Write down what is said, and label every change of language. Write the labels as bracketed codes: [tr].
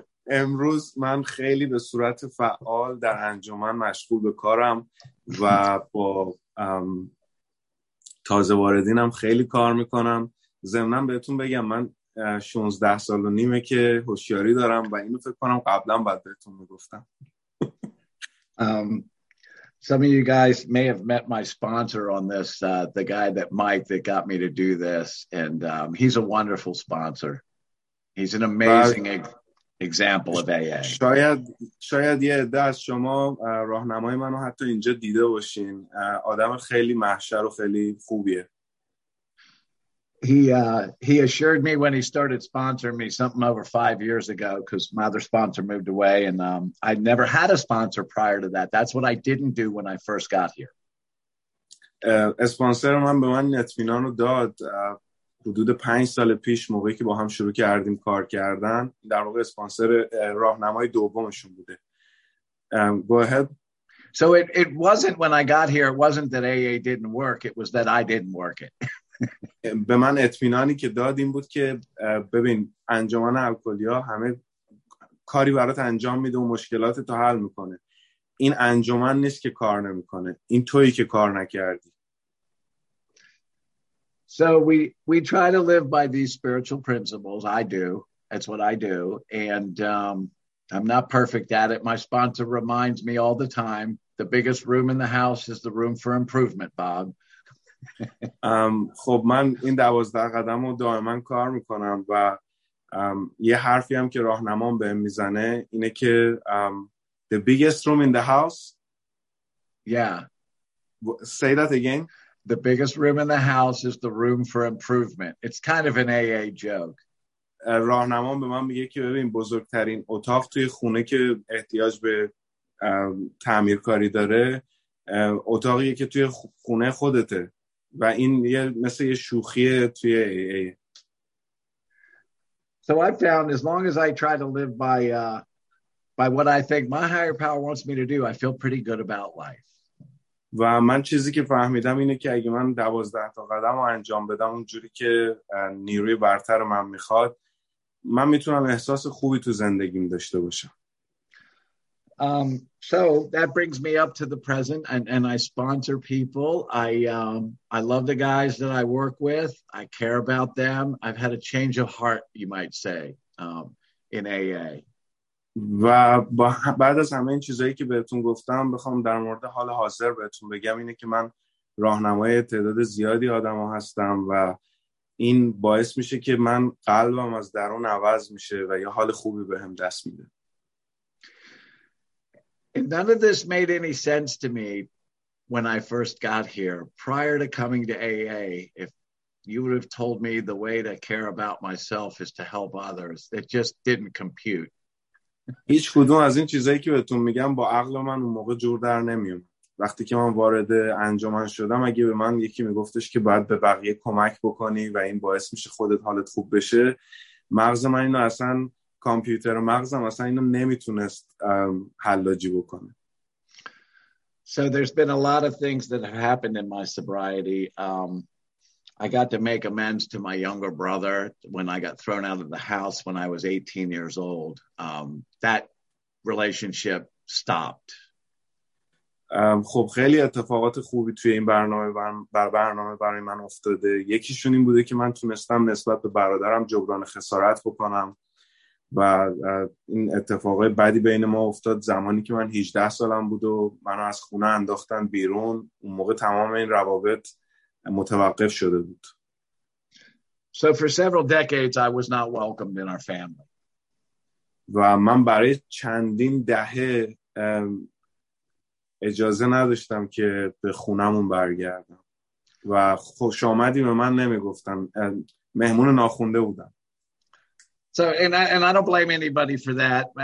[fa] امروز من خیلی به صورت فعال در انجمن مشغول به کارم و با تازه واردینم خیلی کار میکنم. ضمناً بهتون بگم من 16 سال و نیمه که هوشیاری دارم و اینو فکر کنم قبلا بعد بهتون میگفتم. [en] Some of you guys may have met my sponsor on this, the guy that Mike that got me to do this, and he's a wonderful sponsor. He's an amazing example of AA. [fa] شاید یه عده از شما راهنمای منو حتی اینجا دیده باشین. آدم خیلی محشر و خیلی خوبیه. [en] He assured me when he started sponsoring me something over 5 years ago, because my other sponsor moved away, and I'd never had a sponsor prior to that. That's what I didn't do when I first got here. [fa] اسپانسر من به من اطمینان رو داد حدود 5 سال پیش موقعی که با هم شروع کردیم کار کردن. در واقع اسپانسر راهنمای دومشون بوده. [en] Go ahead. So it wasn't when I got here, it wasn't that AA didn't work, it was that I didn't work it. [fa] به من اطمینانی که داد این بود که ببین انجمن الکلیا همه کاری برات انجام میده و مشکلات تو حل میکنه. این انجمن نیست که کار نمیکنه. این تویی که کار نکردی. [en] So we try to live by these spiritual principles. I do. That's what I do. And I'm not perfect at it. My sponsor reminds me all the time, the biggest room in the house is the room for improvement, Bob. [fa] خب من این 12 قدم رو دائما کار میکنم و یه حرفی هم که راهنمام بهم میزنه اینه که [en] the biggest room in the house. Yeah. Say that again. The biggest room in the house is the room for improvement. It's kind of an AA joke. [fa] راهنمام به من میگه که ببین بزرگترین اتاق توی خونه که احتیاج به تعمیرکاری داره اتاقیه که توی خونه خودته. و این یه مثل یه شوخیه توی AA. [en] So I found as long as I try to live by what I think my higher power wants me to do, I feel pretty good about life. [fa] و من چیزی که فهمیدم اینه که اگه من 12 تا قدم رو انجام بدم اونجوری که نیروی برتر من میخواد من میتونم احساس خوبی تو زندگیم داشته باشم. [en] So that brings me up to the present, and I sponsor people. I love the guys that I work with. I care about them. I've had a change of heart, you might say, in AA. [fa] و بعد از همه این چیزایی که بهتون گفتم بخوام در مورد حال حاضر بهتون بگم اینه که من راهنمای تعداد زیادی آدم ها هستم و این باعث میشه که من قلبم از درون عوض میشه و یه حال خوبی بهم دست میده. [en] And none of this made any sense to me when I first got here. Prior to coming to AA, if you would have told me the way to care about myself is to help others, it just didn't compute. [fa] هیچ کدوم از این چیزایی که بهتون میگم با عقل من اون موقع جور در نمیومد. وقتی که من وارد انجمن شدم اگه به من یکی میگفتش که باید به بقیه کمک بکنی و این باعث میشه خودت حالت خوب بشه مغز من اینو اصلا کامپیوتر مغزم اصلا اینو نمیتونست حلاجی بکنه. [en] So there's been a lot of things that have happened in my sobriety. I got to make amends to my younger brother when I got thrown out of the house when I was 18 years old. That relationship stopped. [fa] خب خیلی اتفاقات خوبی توی این برنامه برای من افتاده. یکیشون این بوده که من تونستم نسبت به برادرم جبران خسارت بکنم و این اتفاق بعدی بین ما افتاد زمانی که من 18 سالم بود و منو از خونه انداختن بیرون. اون موقع تمام این روابط متوقف شده بود. [en] So for several decades I was not welcomed in our family. [fa] و من برای چندین دهه اجازه نداشتم که به خونمون برگردم و خوش آمدی به من نمیگفتن. مهمون ناخونده بودم. [en] So and I don't blame anybody for that.